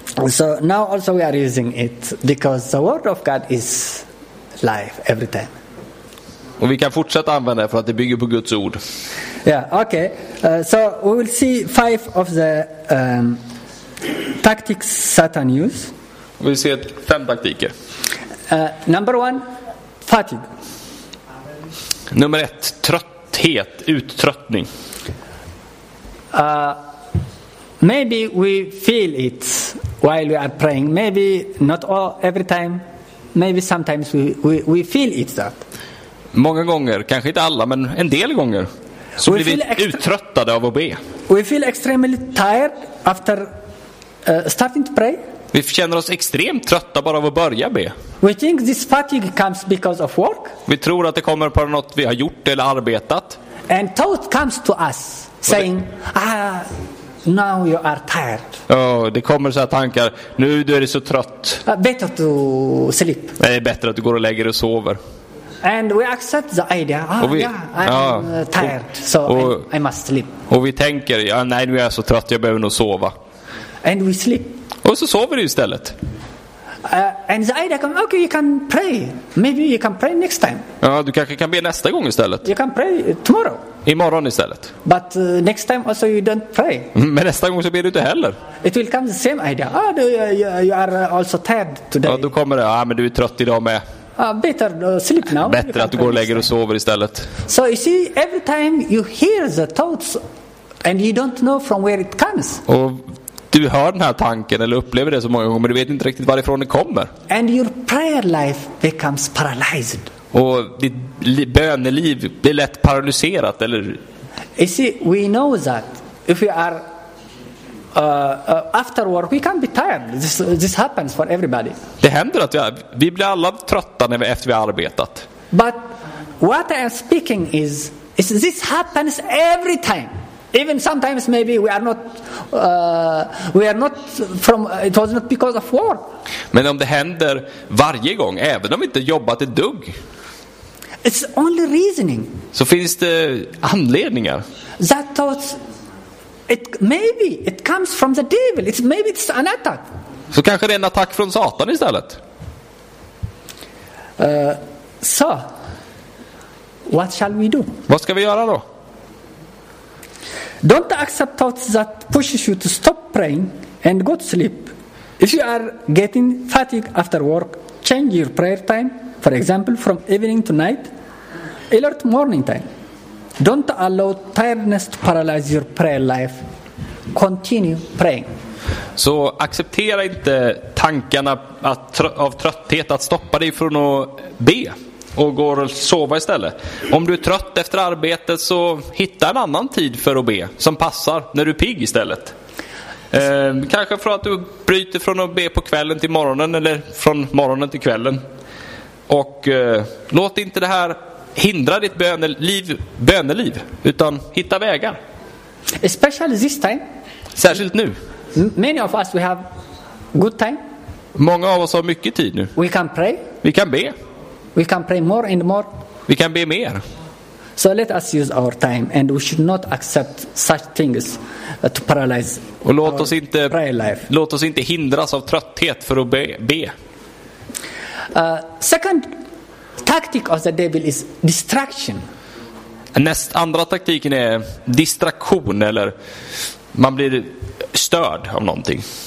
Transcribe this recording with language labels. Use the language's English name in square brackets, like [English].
[English] So now also we are using it because the word of God is life every time. [Swedish] Och vi kan fortsätta använda det för att det bygger på Guds ord. [English] Yeah, okay. So we will see five of the tactics Satan use. [Swedish] Vi ser fem taktiker. [English] Number one, fatigue. [Swedish] Nummer ett, trötthet, uttröttning. [English] Maybe we feel it while we are praying. Maybe not all every time. Maybe sometimes we feel it that. [Swedish] Många gånger, kanske inte alla, men en del gånger. Så blir vi uttröttade av att be. [English] We feel extremely tired after starting to pray. [Swedish] Vi känner oss extremt trötta bara av att börja be. [English] We think this fatigue comes because of work. [Swedish] Vi tror att det kommer på något vi har gjort eller arbetat. [English] And thought comes to us saying, now you are tired. [Swedish] Det kommer så här tankar, nu du är så trött. [English] Better to sleep. [Swedish] Det är bättre att du går och lägger dig och sover. [English] And we accept the idea. Tired. I must sleep. [Swedish] Och vi tänker, nej nu är jag så trött, jag behöver nog sova. [English] And we sleep. [Swedish] Och så sover du istället. [English] And the idea comes, okay, you can pray. Maybe you can pray next time. [Swedish] Ja, du kanske kan be nästa gång istället. [English] You can pray tomorrow. [Swedish] Imorgon istället. [English] But next time also you don't pray. [Swedish] Men nästa gång så ber du inte heller. [English] It will come the same idea. You are also tired today. [Swedish] Ja, då kommer det. Ja, men du är trött idag med. [English] Better sleep now. [Swedish] Bättre att du går och lägger och sover istället. [English] So you see, every time you hear the thoughts and you don't know from where it comes. [Swedish] Och du hör den här tanken eller upplever det så många gånger, men du vet inte riktigt varifrån det kommer. [English] And your prayer life becomes paralyzed. [Swedish] Och ditt böneliv blir lätt paralyserat eller. [English] You see, we know that if we are after work we can be tired. This happens for everybody. [Swedish] Det händer att vi blir alla trötta när vi efter vi har arbetat. [English] But what I am speaking is this happens every time. Even sometimes maybe we are not from it was not because of war. [Swedish] Men om det händer varje gång även om vi inte jobbat ett dugg. [English] It's only reasoning. [Swedish] Så finns det anledningar. [English] That thought it comes from the devil. It's maybe it's an attack. [Swedish] Så kanske det är en attack från Satan istället. [English] So what shall we do? [Swedish] Vad ska vi göra då? [English] Don't accept thoughts that pushes you to stop praying and go to sleep. If you are getting fatigued after work, change your prayer time, for example, from evening to night, alert morning time. Don't allow tiredness to paralyze your prayer life. continue praying. [Swedish] Så acceptera inte tankarna att av trötthet att stoppa dig från att be och gå och sova istället. Om du är trött efter arbetet, så hitta en annan tid för att be som passar när du är pigg istället. Kanske för att du bryter från att be på kvällen till morgonen, eller från morgonen till kvällen. Och låt inte det här hindra ditt böneliv, utan hitta vägar. [English] Especially this time. [Swedish] Särskilt nu. [English] Many of us we have good time. [Swedish] Många av oss har mycket tid nu. [English] We can pray. [Swedish] Vi kan be. [English] We can pray more and more. [Swedish] Vi kan be mer. [English] So let us use our time, and we should not accept such things to paralyze. [Swedish] Och låt oss inte hindras av trötthet för att be. [English] Second tactic of the devil is distraction. [Swedish] Näst andra taktiken är distraktion, eller man blir störd av någonting.